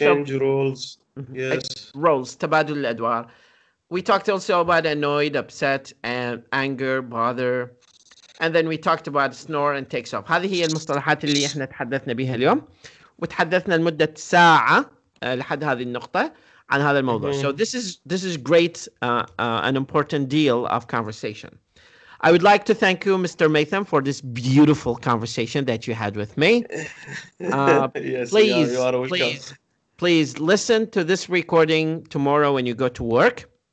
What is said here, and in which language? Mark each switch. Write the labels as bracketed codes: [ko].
[en] exchange of roles. Yes. [ar] Roles. تبادل الأدوار. [en] We talked also about annoyed, upset, and anger, bother, and then we talked about snore and takes off. [ar] هذه هي المصطلحات اللي إحنا تحدثنا بها اليوم. وتحدثنا لمدة ساعة لحد هذه النقطة عن هذا الموضوع. [en] So this is great, an important deal of conversation. I would like to thank you, Mr. Maytham, for this beautiful conversation that you had with me. yes, please, you are please, please listen to this recording tomorrow when you go to work.